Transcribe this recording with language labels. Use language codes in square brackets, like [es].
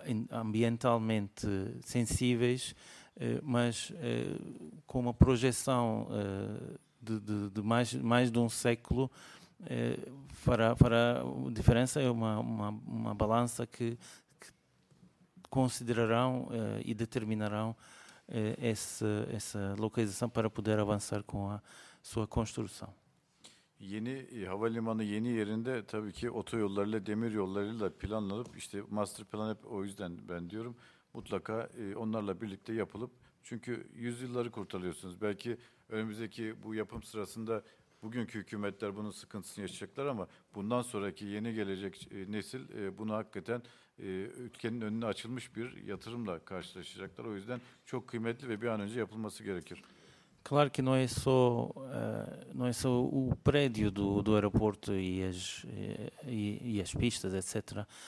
[pt] ambientalmente sensíveis, mas com uma projeção de mais de um século, fará diferença, é uma balança que considerarão e determinarão essa localização para poder avançar com a sua construção. [tr] Yeni havalimanı yeni yerinde tabii ki otoyollarıyla, demiryollarıyla planlanıp işte master plan hep o yüzden ben diyorum mutlaka onlarla birlikte yapılıp çünkü yüzyılları kurtarıyorsunuz. Belki önümüzdeki bu yapım sırasında bugünkü hükümetler bunun sıkıntısını yaşayacaklar ama bundan sonraki yeni gelecek nesil bunu hakikaten ülkenin önüne açılmış bir yatırımla karşılaşacaklar. O yüzden çok kıymetli ve bir an önce yapılması gerekir. [pt] Claro que não é só o prédio do aeroporto e as pistas, etc.